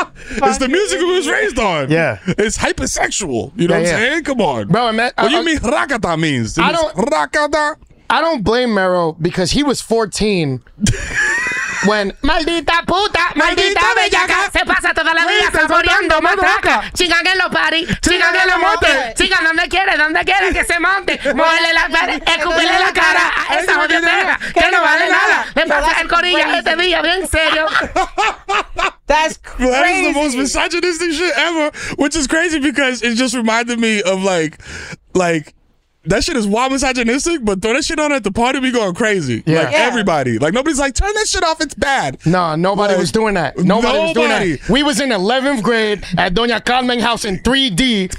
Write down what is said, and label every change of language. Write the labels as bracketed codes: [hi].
[en] It's the music we was raised on. Yeah. It's hypersexual. You know what I'm saying? Come on. Bro, what do you mean rakata means? I don't blame Mero because he was 14 when [es] maldita puta, maldita bellaca, se pasa toda la vida saboreando matraca. Chingan en los party, chingan en los motes, chingan donde quiere que se monte. Muele la cara, escupile la cara a esa jodida perra que no vale nada. Me pasa el corilla este día bien serio. [en] That's crazy. That is the most misogynistic shit ever, which is crazy because it just reminded me of like, that shit is wild misogynistic, but throw that shit on at the party, we going crazy. Yeah. Like, everybody. Like, nobody's like, turn that shit off, it's bad. Nah, nobody was doing that. We was in 11th grade at Doña Carmen House in 3D.